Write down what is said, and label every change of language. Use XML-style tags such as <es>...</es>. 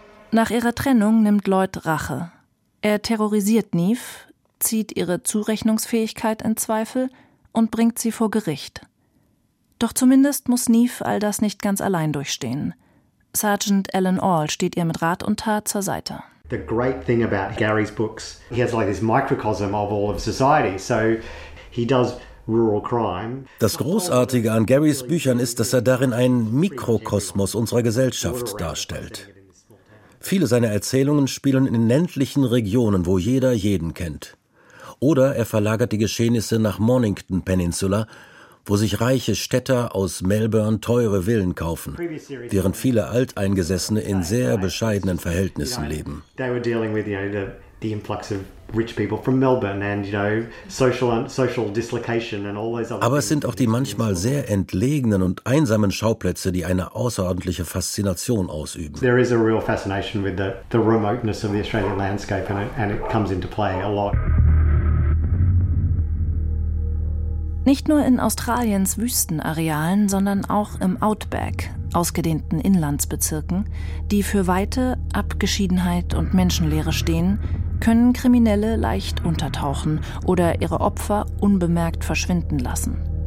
<de>Nach ihrer Trennung nimmt Lloyd Rache. Er terrorisiert Neve, zieht ihre Zurechnungsfähigkeit in Zweifel und bringt sie vor Gericht. Doch zumindest muss Neve all das nicht ganz allein durchstehen. Sergeant Alan Orr steht ihr mit Rat und Tat zur Seite.</de> <en>The great thing about Gary's books, he has like this microcosm of all of society. So he does rural crime.</en> <de>Das Großartige an Garys Büchern ist, dass er darin einen Mikrokosmos unserer Gesellschaft darstellt. Viele seiner Erzählungen spielen in ländlichen Regionen, wo jeder jeden kennt. Oder er verlagert die Geschehnisse nach Mornington Peninsula, wo sich reiche Städter aus Melbourne teure Villen kaufen, während viele Alteingesessene in sehr bescheidenen Verhältnissen leben.</de> <en>They were dealing with, you know, the influx of rich people from Melbourne and, you know, social dislocation and all those other.</en> <de>Aber es sind auch die manchmal sehr entlegenen und einsamen Schauplätze, die eine außerordentliche Faszination ausüben.</de> <en>There is a real fascination with the remoteness of the Australian landscape and it comes into play a lot.</en> <de>Nicht nur in Australiens Wüstenarealen, sondern auch im Outback, ausgedehnten Inlandsbezirken, die für Weite, Abgeschiedenheit und Menschenleere stehen, können Kriminelle leicht untertauchen oder ihre Opfer unbemerkt verschwinden lassen.</de>